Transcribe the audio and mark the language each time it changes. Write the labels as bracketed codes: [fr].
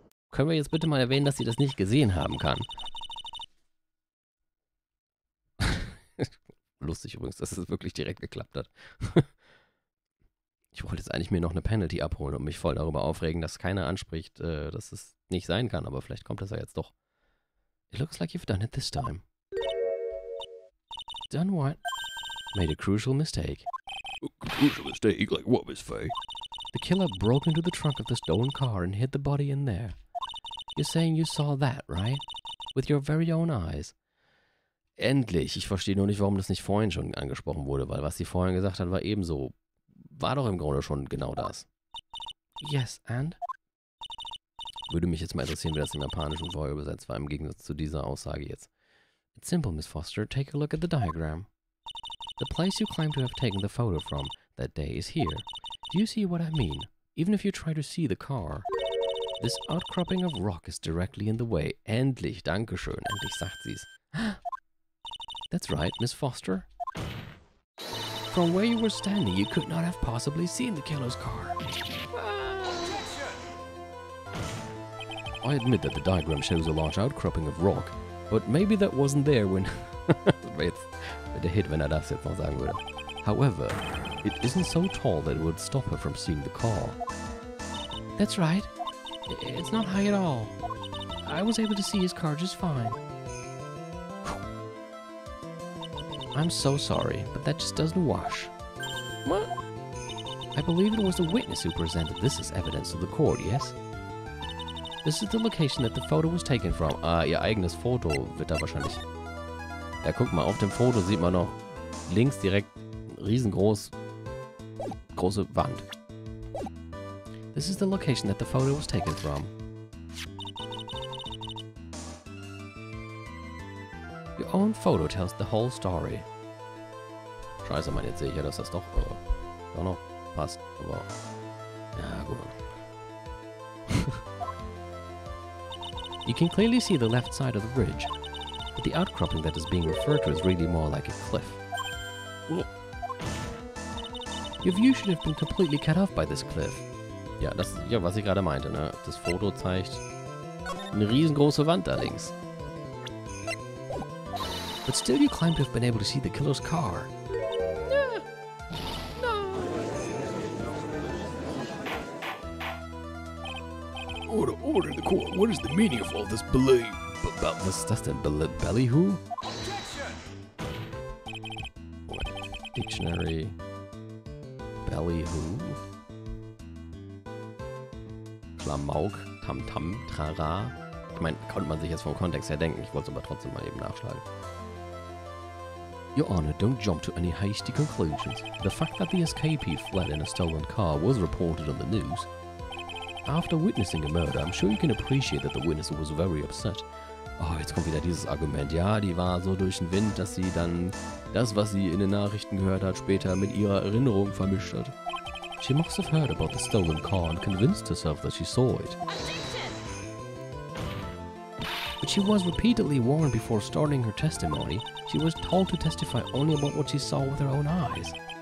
[de] Können wir jetzt bitte mal erwähnen, dass sie das nicht gesehen haben kann? Lustig übrigens, dass es wirklich direkt geklappt hat. Ich wollte jetzt eigentlich mir noch eine Penalty abholen und mich voll darüber aufregen, dass keiner anspricht, dass es nicht sein kann, aber vielleicht kommt das ja jetzt doch. [en] It looks like you've done it this time. Done what? Made a crucial mistake. A crucial mistake? Like what, Miss Faye? The killer broke into the trunk of the stolen car and hid the body in there. You're saying you saw that, right? With your very own eyes. [de] Endlich. Ich verstehe nur nicht, warum das nicht vorhin schon angesprochen wurde, weil was sie vorhin gesagt hat, war ebenso. War doch im Grunde schon genau das. [en] Yes, and? [de] Würde mich jetzt mal interessieren, wie das im Japanischen vorher übersetzt war, im Gegensatz zu dieser Aussage jetzt. [en] It's simple, Miss Foster. Take a look at the diagram. The place you claim to have taken the photo from that day is here. Do you see what I mean? Even if you try to see the car, this outcropping of rock is directly in the way. [de] Endlich, danke schön. Endlich sagt sie's. [en] That's right, Miss Foster. From where you were standing, you could not have possibly seen the killer's car. I admit that the diagram shows a large outcropping of rock, but maybe that wasn't there when... [de] Wäre der Hit, wenn er das jetzt noch sagen würde. [en] However, it isn't so tall that it would stop her from seeing the car. That's right. It's not high at all. I was able to see his car just fine. I'm so sorry, but that just doesn't wash. What? I believe it was the witness who presented this as evidence to the court, yes? This is the location that the photo was taken from. [de] Ihr eigenes Foto wird da wahrscheinlich... Ja, guck mal, auf dem Foto sieht man noch links direkt riesengroß... große Wand. This is the location that the photo was taken from. Your own photo tells the whole story. Scheiße, man, jetzt sehe ich ja, dass das doch, doch noch passt, aber... Ja, gut. [en] You can clearly see the left side of the bridge. But the outcropping that is being referred to is really more like a cliff. Your view should have been completely cut off by this cliff. [de] Ja, das ist ja, was ich gerade meinte, ne? Das Foto zeigt eine riesengroße Wand da links. [en] But still you claim to have been able to see the killer's car. No. No. order, order in the court. What is the meaning of all this belay? About this stuff in belly who? Dictionary. Belly who? [de] Klamauk, tam tam, trara. Ich meine, konnte man sich jetzt vom Kontext her denken. Ich wollte es aber trotzdem mal eben nachschlagen. [en] Your Honor, don't jump to any hasty conclusions. The fact that the escapee fled in a stolen car was reported on the news. After witnessing a murder, I'm sure you can appreciate that the witness was very upset. [de] Oh, jetzt kommt wieder dieses Argument. Ja, die war so durch den Wind, dass sie dann das, was sie in den Nachrichten gehört hat, später mit ihrer Erinnerung vermischt hat. [en] She must have heard about the stolen car and convinced herself that she saw it. But she was repeatedly warned before starting her testimony. She was told to testify only about what she saw with her own eyes.